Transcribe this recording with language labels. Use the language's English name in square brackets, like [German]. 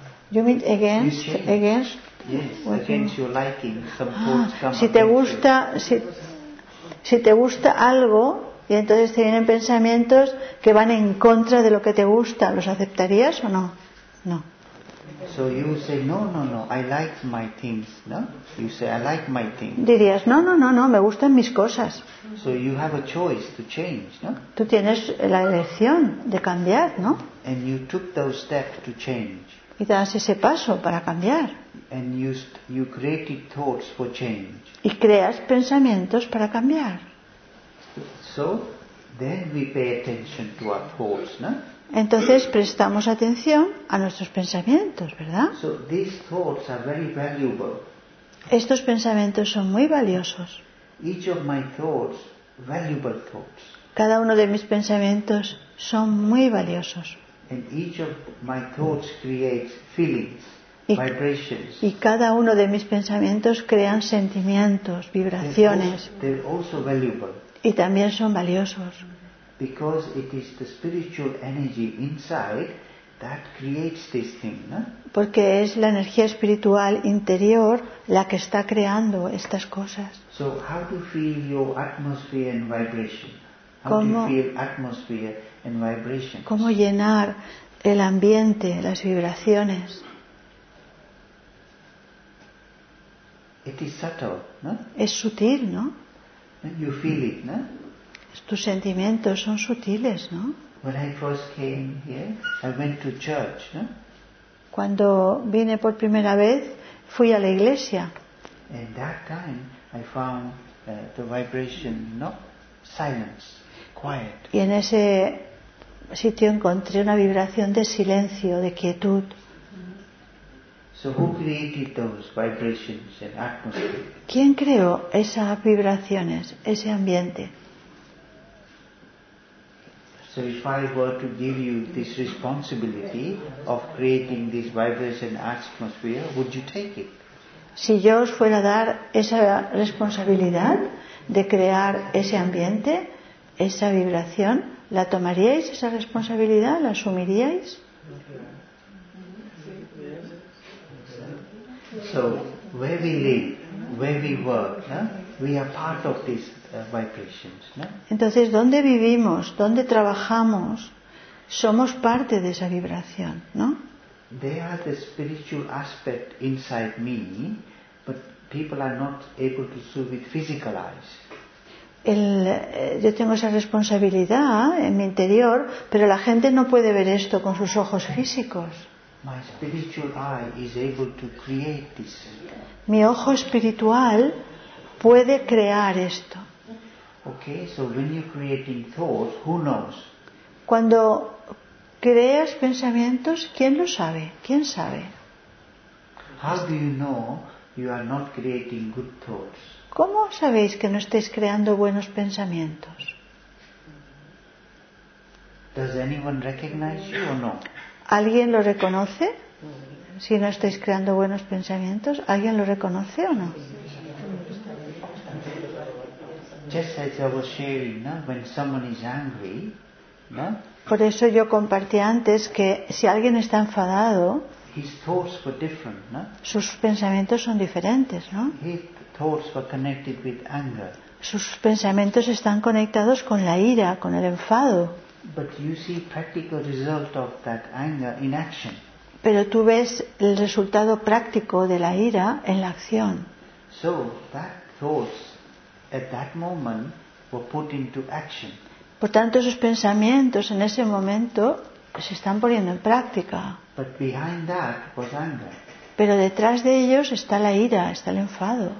[English] You mean against? Yes, against your liking, some [Spanish] si te gusta, si te gusta algo y entonces te vienen pensamientos que van en contra de lo que te gusta, ¿los aceptarías o no? No. [English] So you say no, I like my things, no? You say I like my things. [Spanish] Dirías no, me gustan mis cosas. [English] So you have a choice to change, no? [Spanish] Tú tienes la elección de cambiar, ¿no? [English] And you took those steps to change. [Spanish] Y das ese paso para cambiar. [English] And you created thoughts for change. [Spanish] Y creas pensamientos para cambiar. [English] So then we pay attention to our thoughts, no? [Spanish] Entonces prestamos atención a nuestros pensamientos, ¿verdad? [English] So these thoughts are very valuable. [Spanish] Estos pensamientos son muy valiosos. [English] Each of my thoughts, valuable thoughts. [Spanish] Cada uno de mis pensamientos son muy valiosos. [English] And each of my thoughts creates feelings, vibrations. [Spanish] Y cada uno de mis pensamientos crean sentimientos, vibraciones. [English] They're also valuable. [Spanish] Y también son valiosos. [English] Because it is the spiritual energy inside that creates this thing, no? [Spanish] Porque es la energía espiritual interior la que está creando estas cosas. [English] So how do you feel your atmosphere and vibration? How do you feel atmosphere and vibration? [Spanish] ¿Cómo llenar el ambiente, las vibraciones? [English] It is subtle, no? [Spanish] Es sutil, ¿no? [English] And you feel it, no? [Spanish] Tus sentimientos son sutiles, ¿no? [English] When I first came here, I went to church, no? [Spanish] Cuando vine por primera vez, fui a la iglesia. [English] And that time, I found the vibration, no? Silence. [Spanish] Y en ese sitio encontré una vibración de silencio, de quietud. [English] So who created those vibrations and atmosphere? [Spanish] ¿Quién creó esas vibraciones, ese ambiente? [English] So if I were to give you this responsibility of creating this vibration and atmosphere, would you take it? [Spanish] Si yo os fuera a dar esa responsabilidad de crear ese ambiente, esa vibración, ¿la tomaríais, esa responsabilidad? ¿La asumiríais? [English] So, where we live, where we work, huh? We are part of these vibrations, no? [Spanish] Entonces, ¿dónde vivimos? ¿Dónde trabajamos? Somos parte de esa vibración, ¿no? [English] They are the spiritual aspect inside me, but people are not able to see with physical eyes. [Spanish] Yo tengo esa responsabilidad en mi interior, pero la gente no puede ver esto con sus ojos físicos. [English] My spiritual eye is able to create this. [Spanish] Mi ojo espiritual puede crear esto. [English] Okay, so when you're creating thoughts, who knows? [Spanish] Cuando creas pensamientos, ¿quién lo sabe? ¿Quién sabe? [English] How do you know you are not creating good thoughts? [Spanish] ¿Cómo sabéis que no estáis creando buenos pensamientos? [English] Does anyone recognize you or no? [Spanish] ¿Alguien lo reconoce? Si no estáis creando buenos pensamientos, ¿alguien lo reconoce o no? [English] Just as I was sharing, no? When someone is angry, no? [Spanish] Por eso yo compartí antes que si alguien está enfadado, [English] his thoughts were different, no? [Spanish] Sus pensamientos son diferentes, ¿no? [English] Thoughts were connected with anger. [Spanish] Sus pensamientos están conectados con la ira, con el enfado. [English] But you see practical result of that anger in action. [Spanish] Pero tú ves el resultado práctico de la ira en la acción. [English] So that thoughts at that moment were put into action. [Spanish] Por tanto, esos pensamientos en ese momento se están poniendo en práctica. [English] But behind that was anger. [Spanish] Pero detrás de ellos está la ira, está el enfado.